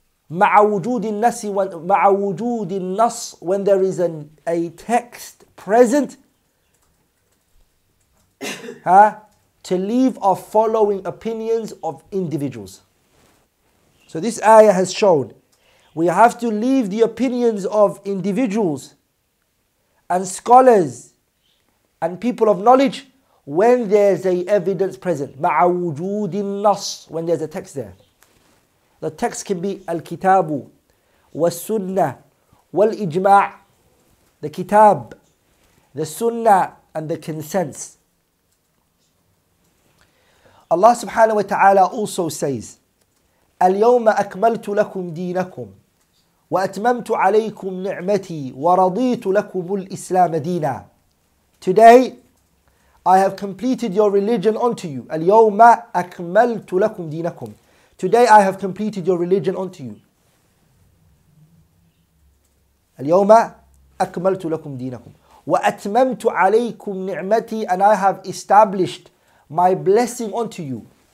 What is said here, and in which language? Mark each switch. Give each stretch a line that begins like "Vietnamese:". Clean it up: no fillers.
Arabic: مع وجود النص
English: when there is a text present to leave off following opinions of individuals. So this ayah has shown we have to leave the opinions of individuals and scholars and people of knowledge when there's a evidence present.
Arabic: مع وجود النص,
English: when there's a text there. The text can be
Arabic: الكتاب والسنة والإجماع.
English: The kitab, the sunnah, and the consensus. Allah subhanahu wa ta'ala also says,
Arabic: اليوم أكملت لكم دينكم وأتممت عليكم نعمتي ورضيت لكم الإسلام دينا.
English: Today, I have completed your religion unto you.
Arabic: اليوم أكملت لكم دينكم.
English: Today, I have completed your religion unto you.
Arabic: اليوم أكملت لكم دينكم. وأتممت عليكم نعمتي
English: and I have established my blessing unto you.